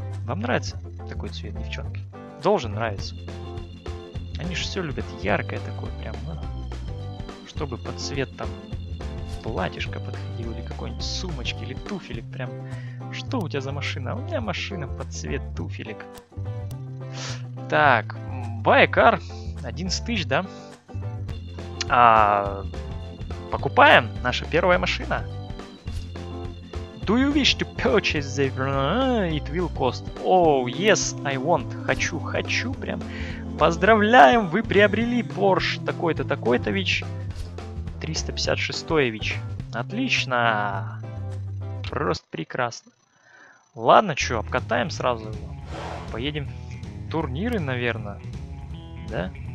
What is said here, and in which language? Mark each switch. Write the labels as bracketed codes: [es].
[ru] Вам нравится такой цвет, девчонки? Должен нравиться. Они же все любят яркое такое, прям, ну, чтобы под цвет там платьишко подходило, или какой-нибудь сумочки, или туфелек, прям. Что у тебя за машина? У меня машина под цвет туфелек. Так, Байкар, 11 тысяч, да? А, покупаем, наша первая машина. [en] Do you wish to purchase the... It will cost. Oh, yes, I want. [ru] Хочу, хочу, прям. Поздравляем, вы приобрели Porsche такой-то, такой-то, вич. 356-й, вич. Отлично. Просто прекрасно. Ладно, чё, обкатаем сразу его. Поедем в турниры, наверное. Да?